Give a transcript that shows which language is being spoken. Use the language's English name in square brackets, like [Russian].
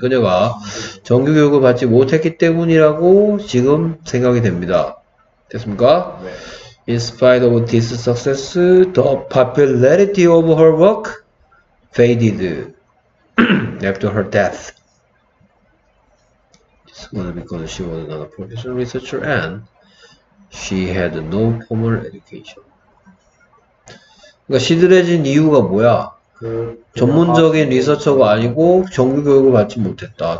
[Korean] 그녀가 정규 교육을 받지 못했기 때문이라고 지금 생각이 됩니다. 됐습니까? 네. [English] In spite of this success, the popularity of her work faded after her death. It's gonna be because she was not a professional researcher and she had no formal education. [Korean] 그러니까 시들해진 이유가 뭐야? 전문적인 리서처가 아니고 정규 교육을 받지 못했다.